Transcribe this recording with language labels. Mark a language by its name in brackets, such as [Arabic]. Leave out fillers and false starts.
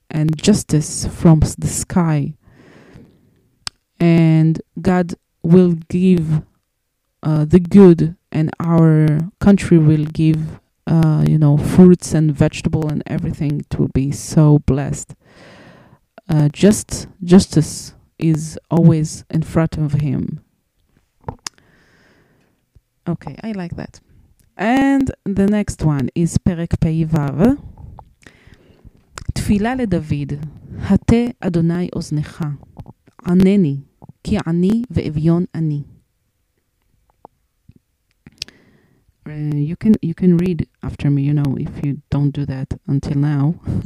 [English] and justice from the sky. And God will give the good, and our country will give you know, fruits and vegetable and everything. It will be so blessed. Justice is always in front of him. Okay, I like that. And the next one is Perek Pei Vav. [Hebrew] תפילה לדוד, הטה אדוני אוזנך, ענני, כי עני ואביון אני. [English] You can read after me, you know, if you don't do that until now.